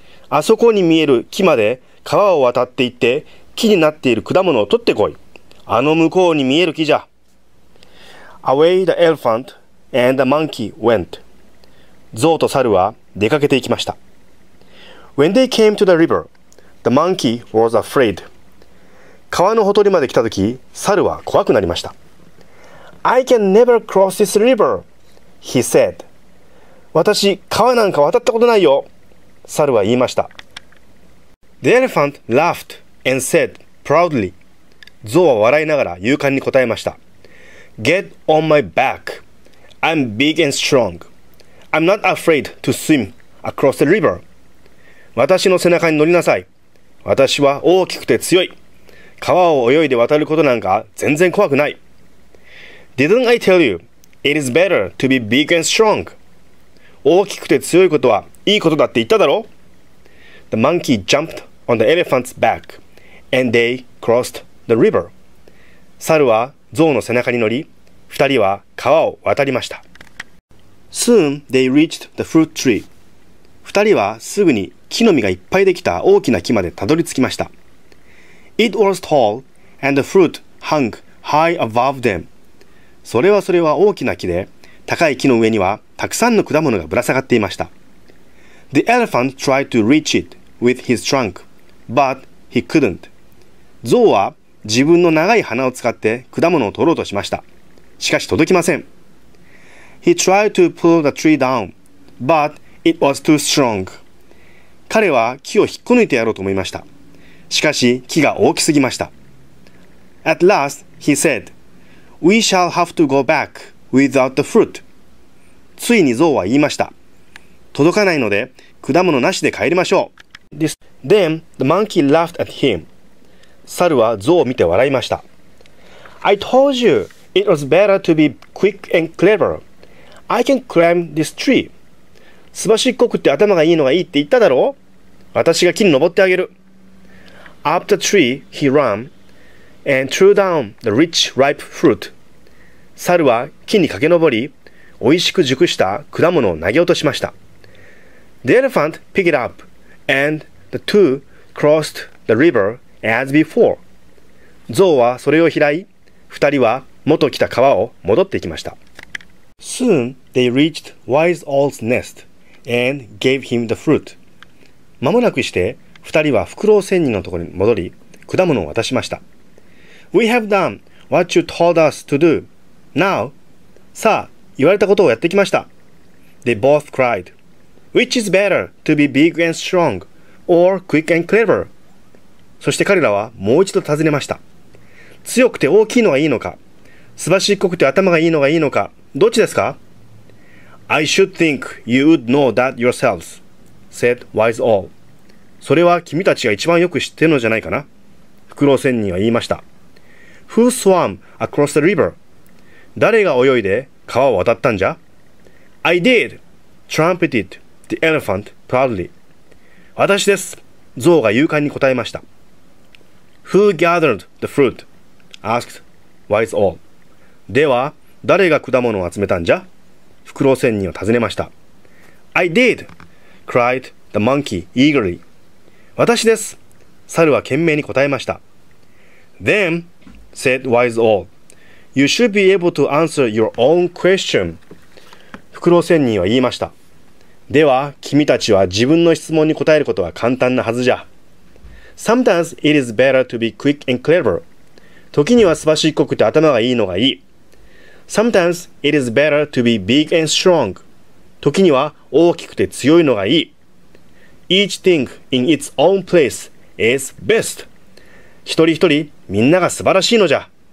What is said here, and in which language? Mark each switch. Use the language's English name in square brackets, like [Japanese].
[Japanese] あそこに見える木まで川を渡って行って木になっている果物を取ってこい。あの向こうに見える木じゃ。 [English] Away the elephant and the monkey went. [Japanese] ゾウと猿は出かけていきました。 [English] When they came to the river, the monkey was afraid. [Japanese] 川のほとりまで来たとき、猿は怖くなりました。 [English] I can never cross this river, he said. [Japanese] 私、川なんか渡ったことないよ。猿は言いました。 [English] The elephant laughed and said proudly. [Japanese] ゾウは笑いながら勇敢に答えました。 [English] Get on my back. I'm big and strong. I'm not afraid to swim across the river. [Japanese] 私の背中に乗りなさい。私は大きくて強い。川を泳いで渡ることなんか全然怖くない。 [English] Didn't I tell you it is better to be big and strong? [Japanese] 大きくて強いことはいいことだって言っただろ。 [English] The monkey jumped on the elephant's back and they crossed the river. [Japanese] 猿はゾウの背中に乗り、二人は川を渡りました。 [English] Soon they reached the fruit tree. [Japanese] 二人はすぐに木の実がいっぱいできた大きな木までたどり着きました。 [English] It was tall and the fruit hung high above them. [Japanese] それはそれは大きな木で、高い木の上にはたくさんの果物がぶら下がっていました。 [English] The elephant tried to reach it with his trunk, but he couldn't. [Japanese] ゾウは自分の長い鼻を使って果物を取ろうとしました。しかし届きません。 [English] He tried to pull the tree down, but it was too strong. [Japanese] 彼は木を引っこ抜いてやろうと思いました。しかし木が大きすぎました。 [English] At last, he said, We shall have to go back without the fruit. [Japanese] ついに象は言いました。届かないので果物なしで帰りましょう。 [English] Then the monkey laughed at him. [Japanese] 猿は象を見て笑いました。 [English] I told you it was better to be quick and clever. I can climb this tree. [Japanese] すばしっこくって頭がいいのがいいって言っただろう。私が木に登ってあげる。 [English] Up the tree he ran and threw down the rich ripe fruit. [Japanese] 猿は木に駆け登り、おいしく熟した果物を投げ落としました。 [English] The elephant picked it up and the two crossed the river as before. [Japanese] 象はそれを拾い、二人は元来た川を戻っていきました。 [English] Soon they reached wise owl's nest. And gave him the fruit. [Japanese] 間もなくして二人はフクロウ仙人のところに戻り果物を渡しました。 [English] We have done what you told us to do. Now, [Japanese] さあ言われたことをやってきました。 [English] They both cried. Which is better to be big and strong or quick and clever? [Japanese] そして彼らはもう一度尋ねました。強くて大きいのがいいのか、すばしっこくて頭がいいのがいいのか、どっちですか？ [English] I should think you would know that yourselves, said Wise Owl. [Japanese] それは君たちが一番よく知ってるのじゃないかな。フクロウ仙人は言いました。 [English] Who swam across the river? [Japanese] 誰が泳いで川を渡ったんじゃ [English] ?I did, trumpeted the elephant proudly. [Japanese] 私です。象が勇敢に答えました。 [English] Who gathered the fruit? asked Wise Owl. [Japanese] では、誰が果物を集めたんじゃ？フクロウ仙人を尋ねました。 [English] I did! cried the monkey eagerly. [Japanese] 私です。猿は懸命に答えました。 [English] Then, said Wise Owl, you should be able to answer your own question. [Japanese] フクロウ仙人は言いました。では、君たちは自分の質問に答えることは簡単なはずじゃ。 [English] Sometimes it is better to be quick and clever. [Japanese] 時にはすばしっこくて頭がいいのがいい。 [English] Sometimes it is better to be big and strong. [Japanese] 時には大きくて強いのがいい。 [English] Each thing in its own place is best. [Japanese] 一人一人みんなが素晴らしいのじゃ。